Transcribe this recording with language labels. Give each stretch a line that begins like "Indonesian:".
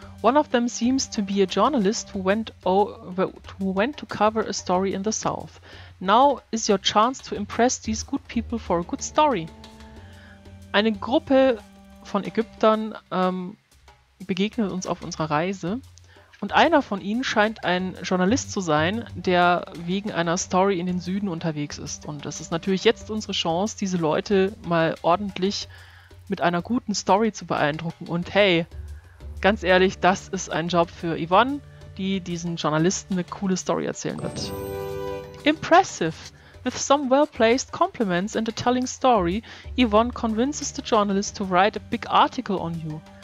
English: One of them seems to be a journalist who went to cover a story in the south. Now is your chance to impress these good people for a good story.
German: Eine Gruppe von Ägyptern begegnet uns auf unserer Reise und einer von ihnen scheint ein Journalist zu sein, der wegen einer Story in den Süden unterwegs ist. Und das ist natürlich jetzt unsere Chance, diese Leute mal ordentlich mit einer guten Story zu beeindrucken. Und hey, ganz ehrlich, das ist ein Job für Yvonne, die diesen Journalisten eine coole Story erzählen wird.
English: Impressive! With some well-placed compliments and a telling story, Yvonne convinces the journalist to write a big article on you.